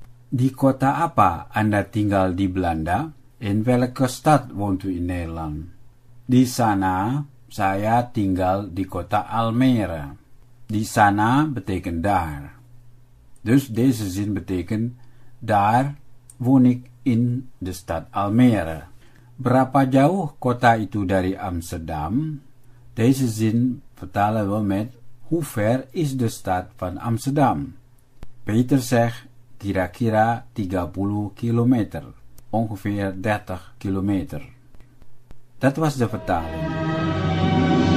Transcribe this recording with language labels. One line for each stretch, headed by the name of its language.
Indonesian: Di kota apa Anda tinggal di Belanda?
Dutch: In welke stad woont u in Nederland?
Indonesian: Di sana, saya tinggal di kota Almere.
Dutch: Di sana betekent daar. Dus deze zin betekent, daar woon ik in de stad Almere.
Indonesian: Berapa jauh kota itu dari Amsterdam?
Dutch: Deze zin vertalen we met, hoe ver is de stad van Amsterdam? Peter zegt,
Indonesian: kira-kira 30 kilometer.
Dutch: Ongeveer 30 kilometer. Dat was de vertaling.